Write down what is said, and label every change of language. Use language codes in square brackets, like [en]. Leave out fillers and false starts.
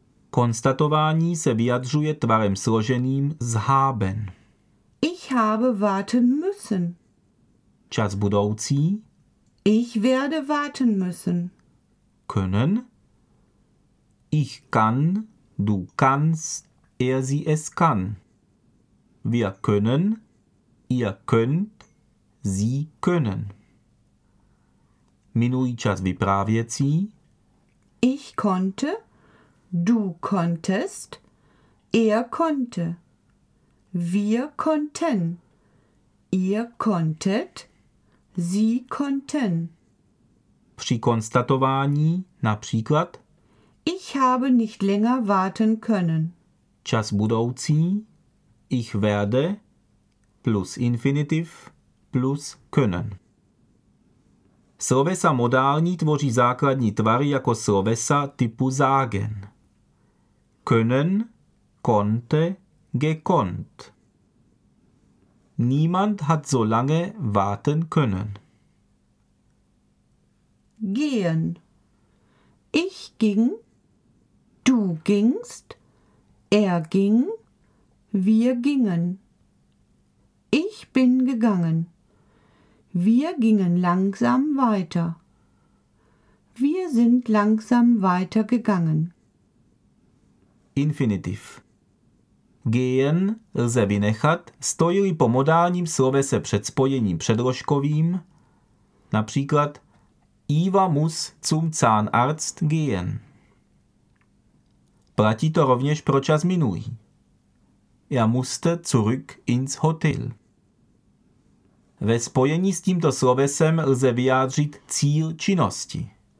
[cs] Konstatování se vyjadřuje tvarem složeným z haben. [de] Ich habe warten müssen. [cs] Čas budoucí. [de] Ich werde warten müssen. Können. Ich kann, du kannst, sie es kann. Wir können, ihr könnt, sie können. [cs] Minulý čas vyprávěcí. [de] Ich konnte, du konntest, konnte. Wir konnten, ihr konntet, sie konnten. [cs] Při konstatování například. [de] Ich habe nicht länger warten können. [cs] Čas budoucí. [de] Ich werde plus infinitiv plus können. [cs] Slovesa modální tvoří základní tvary jako slovesa typu sagen. [de] Können, konnte, gekonnt. Niemand hat so lange warten können. Gehen. Ich ging. Du gingst. Ging. Wir gingen. Ich bin gegangen. Wir gingen langsam weiter. Wir sind langsam weiter gegangen. Infinitiv. [cs] Gehen lze vynechat, stojí po modálním slovese před spojením předložkovým. [de] Například Iva muss zum Zahnarzt gehen. [cs] Platí to rovněž pro čas minulý. [de] Musste zurück ins Hotel. [cs] Ve spojení s tímto slovesem lze vyjádřit cíl činnosti.